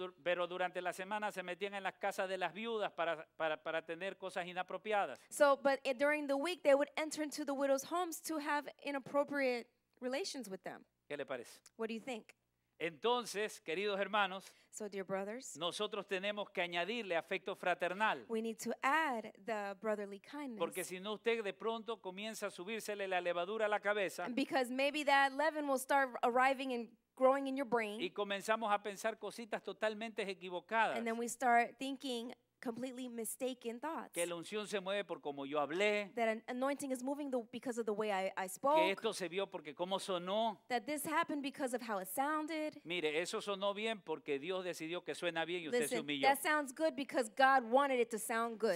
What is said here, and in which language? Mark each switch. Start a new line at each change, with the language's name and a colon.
Spanish: Pero durante la semana se metían en las casas de las viudas para tener cosas inapropiadas.
English: So, but during the week they would enter into the widows' homes to have inappropriate relations with them.
Spanish: ¿Qué le parece?
English: What do you think?
Spanish: Entonces, queridos hermanos,
English: so dear brothers,
Spanish: nosotros tenemos que añadirle afecto fraternal.
English: We need to add the brotherly kindness.
Spanish: Porque si no, usted de pronto comienza a subírsele la levadura a la cabeza.
English: Because maybe that leaven will start arriving in growing in your brain.
Spanish: Y comenzamos a pensar cositas totalmente equivocadas.
English: And then we start thinking completely mistaken thoughts.
Spanish: Que la unción se mueve por como yo hablé.
English: That an anointing is moving because of the way I spoke.
Spanish: Que esto se vio porque cómo sonó.
English: That this happened because of how it sounded.
Spanish: Mire, eso sonó bien porque Dios decidió que suena bien y
English: listen,
Spanish: usted se humilló.
English: That sounds good because God wanted it to sound good.